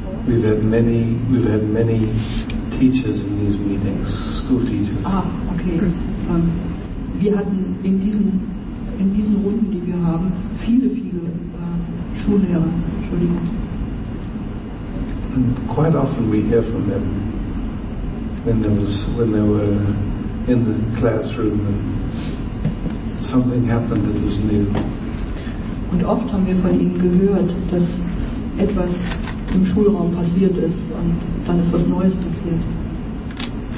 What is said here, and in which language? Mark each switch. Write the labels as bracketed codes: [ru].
[en] We've had many teachers in these meetings, school teachers. Ah, okay. [de] Wir hatten in diesen Runden, die wir haben, viele, viele Schullehrer. Entschuldigung. [en] And quite often we hear from them when they were in the classroom and something happened that was new. [de] Und oft haben wir von ihnen gehört, dass etwas im Schulraum passiert ist und dann ist was Neues passiert.